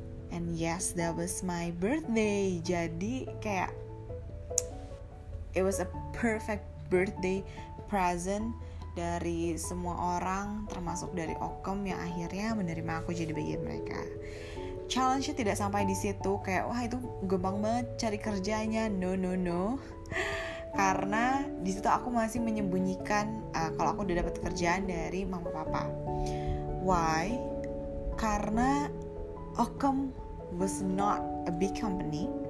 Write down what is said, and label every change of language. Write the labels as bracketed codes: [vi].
[en] And yes, that was my birthday. [id] Jadi kayak [en] it was a perfect birthday present [id] dari semua orang, termasuk dari Okom yang akhirnya menerima aku jadi bagian mereka. Challenge-nya tidak sampai di situ, kayak wah itu gampang banget cari kerjanya. No. Karena di situ aku masih menyembunyikan kalau aku udah dapat kerjaan dari mama papa. [en] Why? [id] Karena [en] Okom was not a big company.